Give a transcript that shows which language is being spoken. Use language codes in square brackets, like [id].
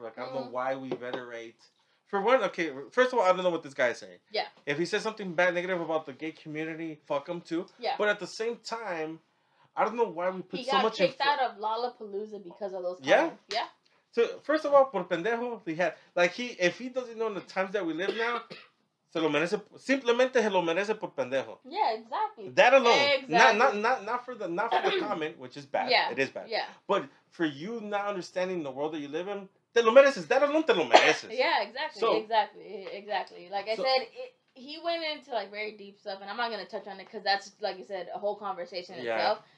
[en] Like, I don't know why we venerate. For one, okay, first of all, I don't know what this guy is saying. Yeah. If he says something bad, negative about the gay community, fuck him too. Yeah. But at the same time, I don't know why we put so much... He got kicked out of Lollapalooza because of those comments. Yeah? Yeah. So, first of all, [es] por pendejo, [en] he had... Like, he, if he doesn't know in the times that we live now... [es] Se lo merece, simplemente se lo merece por pendejo. [en] Yeah, exactly. That alone. Exactly. Not for the comment, which is bad. Yeah. It is bad. Yeah. But for you not understanding the world that you live in, [es] te lo mereces. That alone te lo mereces. [en] Yeah, exactly. So, exactly. Like I said, he went into like very deep stuff, and I'm not going to touch on it because that's, like you said, a whole conversation itself. Yeah.